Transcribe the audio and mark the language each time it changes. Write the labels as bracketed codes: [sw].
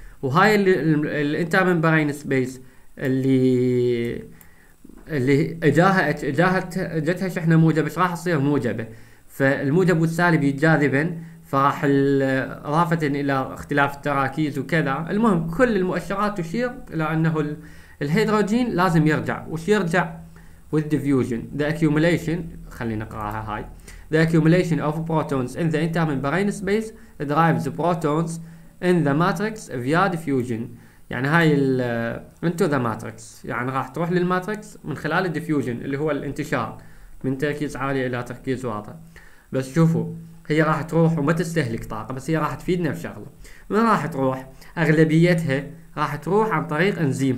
[ar] وهاي الانتر ممبرين سبيس اللي اجاها اتش اجتها شحنة موجبة ايش راح تصير؟ موجبة. فالموجب والسالب يتجاذبن فراح اضافة الى اختلاف التراكيز وكذا. المهم كل المؤشرات تشير الى انه الهيدروجين لازم يرجع. وش يرجع؟ [en] With diffusion the accumulation [ar] خلينا نقراها هاي [en] the accumulation of protons in the intermembrane space drives protons in the matrix via diffusion. [ar] يعني هاي الـ into the matrix يعني راح تروح للماتريكس من خلال الديفيوجن اللي هو الانتشار من تركيز عالي الى تركيز واطي. بس شوفوا هي راح تروح وما تستهلك طاقة بس هي راح تفيدنا بشغلة. من راح تروح؟ اغلبيتها راح تروح عن طريق انزيم.